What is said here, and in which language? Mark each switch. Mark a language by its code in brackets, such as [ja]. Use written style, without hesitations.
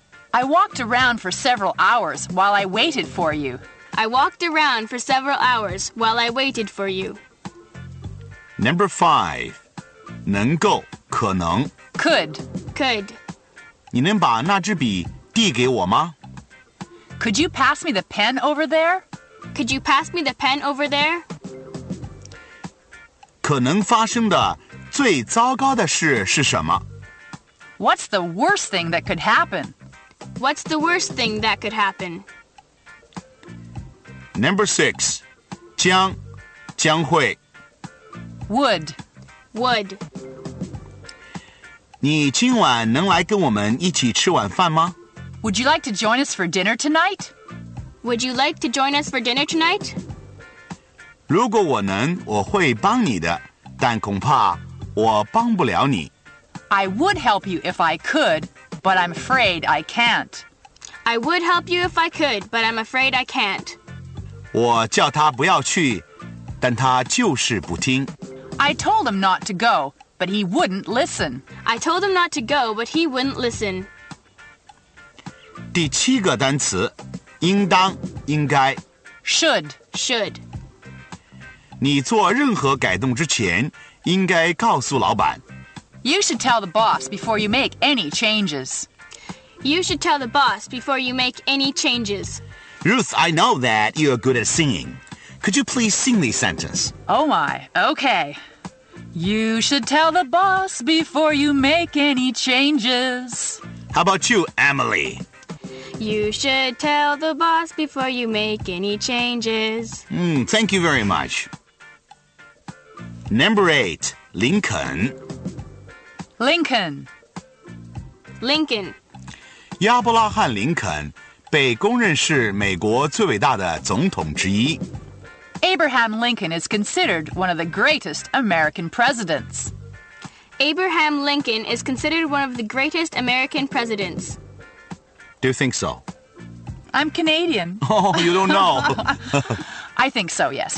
[en] I walked around for several hours while I waited for you. I walked around for several hours while I waited for you. Number five, [zh] 能够可能 [en] Could. Could. [zh] 你能把那支笔递给我吗? [en] Could you pass me the pen over there? Could you pass me the pen over there? [zh] 可能发生的最糟糕的事是什么? [en] What's the worst thing that could happen? What's the worst thing that could happen? Number six. [zh] 将, 将会. [en] Would. Would. [zh] 你今晚能来跟我们一起吃晚饭吗? [en] Would you like to join us for dinner tonight? Would you like to join us for dinner tonight? [zh] 如果我能,我会帮你的,但恐怕我帮不了你。 [en] I would help you if I could, but I'm afraid I can't. I would help you if I could, but I'm afraid I can't. [zh] 我叫他不要去,但他就是不听。 [en] I told him not to go. But he wouldn't listen. I told him not to go, but he wouldn't listen. [zh] 第七个单词，应当，应该。 [en] Should. Should. [zh] 你做任何改动之前，应该告诉老板。 [en] You should tell the boss before you make any changes. You should tell the boss before you make any changes. Ruth, I know that you are good at singing. Could you please sing this sentence? Oh my, okay. You should tell the boss before you make any changes. How about you, Emily? You should tell the boss before you make any changes. Thank you very much. Number eight, Lincoln. Lincoln. Lincoln. [zh] 亚伯拉罕·林肯被公认是美国最伟大的总统之一。 [en] Abraham Lincoln is considered one of the greatest American presidents. Abraham Lincoln is considered one of the greatest American presidents. Do you think so? I'm Canadian. Oh, you don't know. I think so, yes.